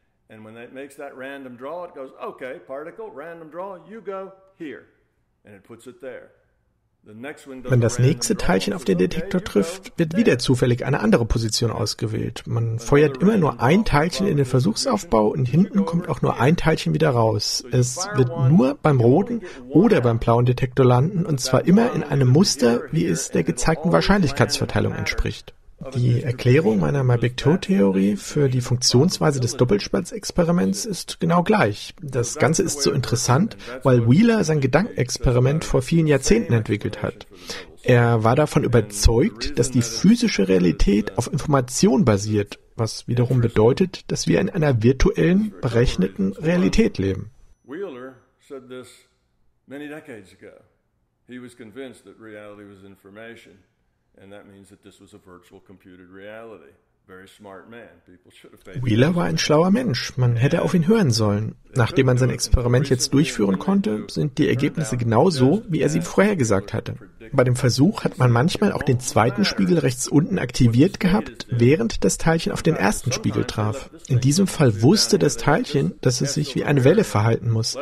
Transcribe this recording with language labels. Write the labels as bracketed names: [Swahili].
[English] And when it makes that random draw, it goes, okay, particle, random draw, you go here. And it puts it there. [German] Wenn das nächste Teilchen auf den Detektor trifft, wird wieder zufällig eine andere Position ausgewählt. Man feuert immer nur ein Teilchen in den Versuchsaufbau und hinten kommt auch nur ein Teilchen wieder raus. Es wird nur beim roten oder beim blauen Detektor landen und zwar immer in einem Muster, wie es der gezeigten Wahrscheinlichkeitsverteilung entspricht. Die Erklärung meiner Mabek-Tow-Theorie für die Funktionsweise des Doppelspaltexperiments ist genau gleich. Das Ganze ist so interessant, weil Wheeler sein Gedankenexperiment vor vielen Jahrzehnten entwickelt hat. Er war davon überzeugt, dass die physische Realität auf Information basiert, was wiederum bedeutet, dass wir in einer virtuellen, berechneten Realität leben. [English] Wheeler said this many decades ago. He was convinced that reality was information. And that means that this was a virtual computed reality. Very smart man. People should have faith. [German] Wheeler war ein schlauer Mensch. Man hätte auf ihn hören sollen. Nachdem man sein Experiment jetzt durchführen konnte, sind die Ergebnisse genau so, wie er sie vorhergesagt hatte. Bei dem Versuch hat man manchmal auch den zweiten Spiegel rechts unten aktiviert gehabt, während das Teilchen auf den ersten Spiegel traf. In diesem Fall wusste das Teilchen, dass es sich wie eine Welle verhalten muss.